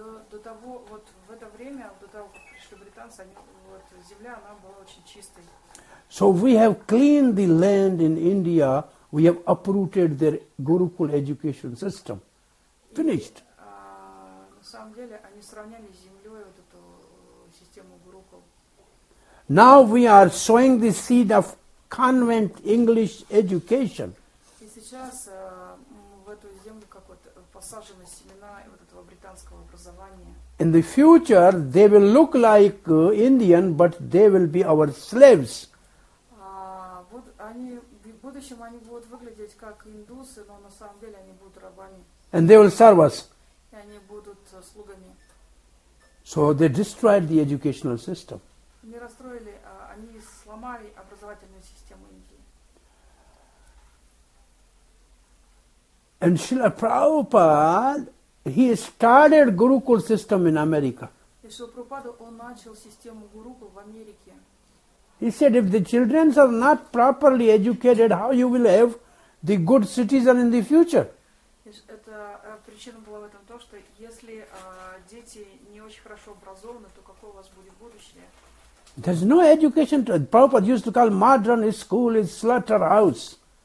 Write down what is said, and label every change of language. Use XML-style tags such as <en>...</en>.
<ru>До того, вот в это время, до того, как пришли британцы, они, вот, земля, она была очень чистой.</ru> <en>So we have cleaned the land in India, we have uprooted their Gurukul education system. Finished.</en> <ru>На самом деле, они сравняли с землей вот эту систему Гурукул.</ru> <en>Now we are sowing the seed of convent English education.</en> <ru>И сейчас в эту землю как вот посажены семена вот этого британского образования.</ru> <en>In the future they will look like Indian, but they will be our slaves.</en> <ru>Вот они в будущем они будут выглядеть как индусы, но на самом деле они будут рабами.</ru> <en>And they will serve us.</en> <ru>И они будут слугами.</ru> <en>So they destroyed the educational system.</en> <ru>не расстроили, а они сломали образовательную систему Индии.</ru> <en>And Srila Prabhupada, he started Gurukul system in America.</en> <ru>И Шрила Прабхупада, он начал систему Гурукул в Америке.</ru> <en>He said, if the children are not properly educated, how you will have the good citizen in the future?</en> <ru>Это причина была в этом то, что если дети не очень хорошо образованы, то какое у вас будет будущее?</ru> <en>There's no education. Prabhupada used to call modern school is slaughterhouse.</en>